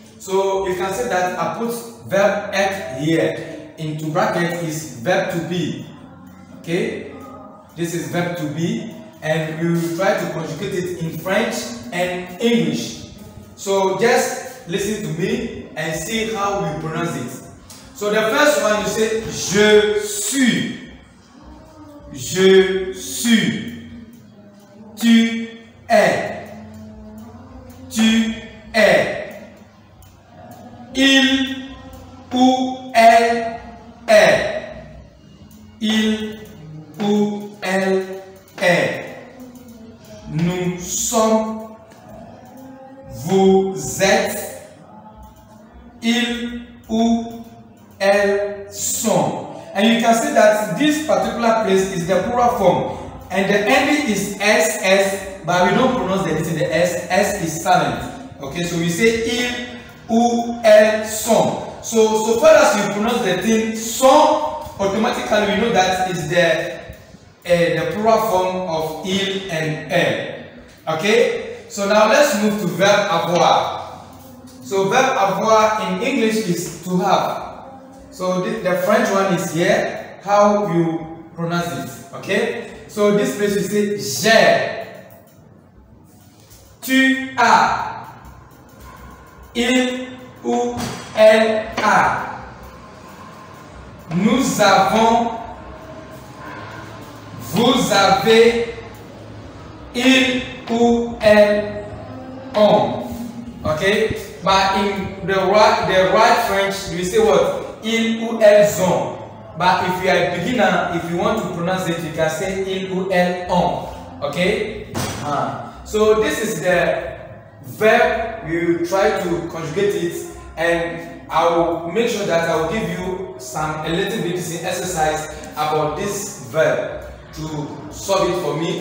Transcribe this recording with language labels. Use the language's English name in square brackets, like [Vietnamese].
[English] So you can say that I put verb être here, into bracket is verb to be. Okay, this is verb to be, and we will try to conjugate it in French and English. So just listen to me and see how we pronounce it. So the first one, you say [French] je suis, je suis, tu es, tu es, il ou elle est, il ou elle est, nous sommes, vous êtes, il ou elles sont. [English] And you can see that this particular place is the plural form. And the ending is SS, but we don't pronounce the letter, the S. S is silent. Okay, so we say [French] il ou elle sont. [English] So far as you pronounce the thing sont, automatically we know that is the plural form of il and elle. Okay, so now let's move to verb avoir. So verb avoir in English is to have. So the French one is here, how you pronounce it, okay? So this place you say [French] j'ai, tu as, il ou elle a, nous avons, vous avez, il ou elle ont, okay? [English] But in the right French, you say what? [French] Il ou elle sont. [English] But if you are a beginner, if you want to pronounce it, you can say [French] il ou elle ont. [English] Okay? So this is the verb. We will try to conjugate it. And I will make sure that I will give you a little bit of exercise about this verb to solve it for me.